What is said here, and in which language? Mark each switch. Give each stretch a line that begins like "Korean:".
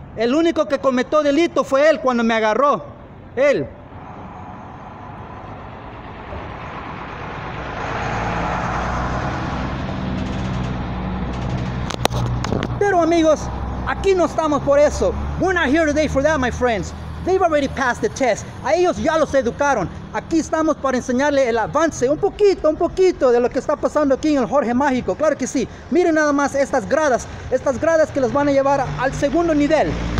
Spanish: El único que cometió delito fue él cuando me agarró. Él. Pero amigos, aquí no estamos por eso.
English: We're not here today for that, my friends. They've already passed the test.
Spanish: A ellos ya los educaron. Aquí estamos para enseñarle el avance, un poquito de lo que está pasando aquí en el Jorge Mágico. Claro que sí. Miren nada más estas gradas que los van a llevar al segundo nivel.